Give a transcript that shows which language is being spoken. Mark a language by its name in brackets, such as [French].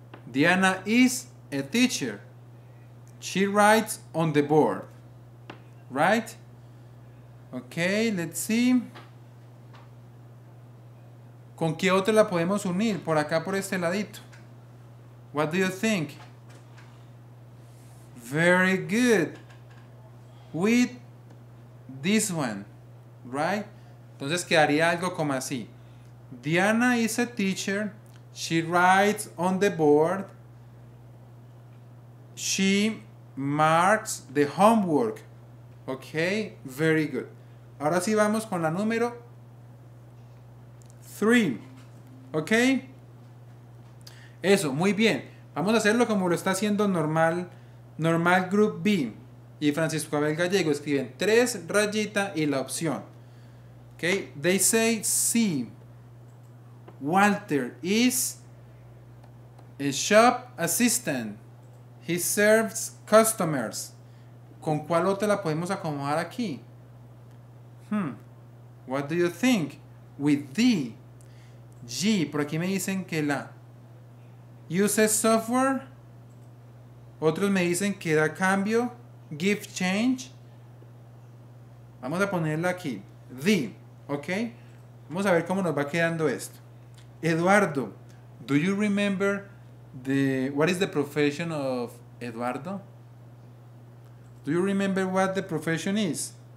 [English] Diana is a teacher. She writes on the board. Right? Okay, let's see. [Spanish] ¿Con qué otra la podemos unir? Por acá, por este ladito. [English] What do you think? Very good. With this one, right? [Spanish] Entonces quedaría algo como así. [English] Diana is a teacher. She writes on the board. She marks the homework. Ok, very good. [Spanish] Ahora sí vamos con la número 3. Ok. Eso, muy bien. Vamos a hacerlo como lo está haciendo normal. Normal Group B. Y Francisco Abel Gallego escriben 3, rayita y la opción. [English] Ok. They say C. Walter is a shop assistant. He serves customers. [Spanish] ¿Con cuál otra la podemos acomodar aquí? [English] What do you think? With D. G. [Spanish] Por aquí me dicen que la. [English] Uses software. [Spanish] Otros me dicen que da cambio. [English] Give change. [Spanish] Vamos a ponerla aquí. D. Ok. Vamos a ver cómo nos va quedando esto. [English] Eduardo. Do you remember the... What is the profession of Eduardo? Do you remember what the profession is?